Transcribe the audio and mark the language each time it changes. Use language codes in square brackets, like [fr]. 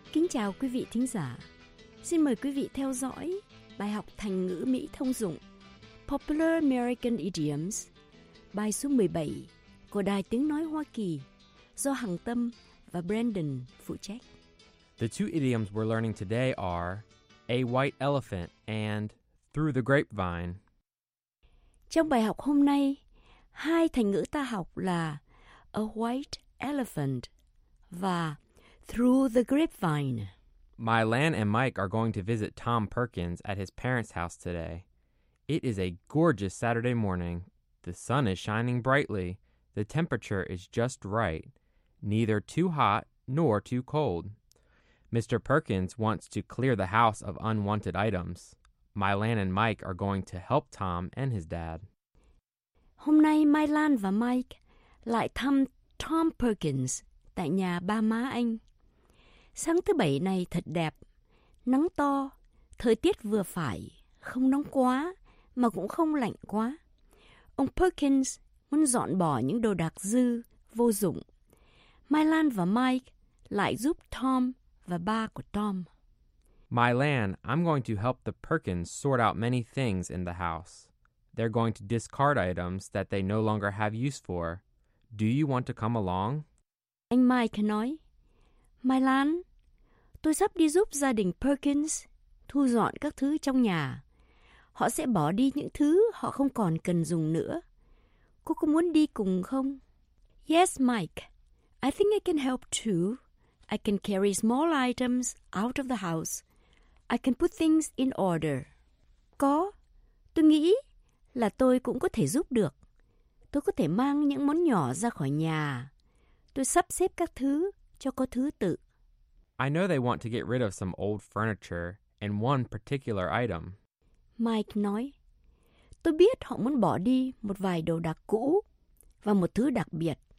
[vi] Chào quý vị thính giả. Xin mời quý vị theo dõi bài học thành ngữ Mỹ thông dụng [en] Popular American Idioms, [vi] bài số 17 của Đài Tiếng Nói Hoa Kỳ do Hằng Tâm và Brandon phụ trách. [en] The two idioms we're learning today are a white elephant and through the grapevine. [vi] Trong bài học hôm nay, hai thành ngữ ta học là [en] a white elephant [vi] và [en] through the grapevine. Mylan and Mike are going to visit Tom Perkins at his parents' house today. It is a gorgeous Saturday morning. The sun is shining brightly. The temperature is just right, neither too hot nor too cold. Mr. Perkins wants to clear the house of unwanted items. Mylan and Mike are going to help Tom and his dad. [vi] Hôm nay Mylan và Mike lại thăm Tom Perkins tại nhà ba má anh. Sáng thứ bảy này thật đẹp, nắng to, thời tiết vừa phải, không nóng quá mà cũng không lạnh quá. Ông Perkins muốn dọn bỏ những đồ đạc dư, vô dụng. Mylan và Mike lại giúp Tom và ba của Tom. [en] Mylan, I'm going to help the Perkins sort out many things in the house. They're going to discard items that they no longer have use for. Do you want to come along? [vi] Anh Mike nói, Mylan, tôi sắp đi giúp gia đình Perkins thu dọn các thứ trong nhà. Họ sẽ bỏ đi những thứ họ không còn cần dùng nữa. Cô có muốn đi cùng không? [en] Yes, Mike. I think I can help too. I can carry small items out of the house. I can put things in order. [vi] Có. Tôi nghĩ là tôi cũng có thể giúp được. Tôi có thể mang những món nhỏ ra khỏi nhà. Tôi sắp xếp các thứ cho có thứ tự. [en] I know they want to get rid of some old furniture and one particular item. [vi] Mike nói, tôi biết họ muốn bỏ đi một vài đồ đạc cũ và một thứ đặc biệt.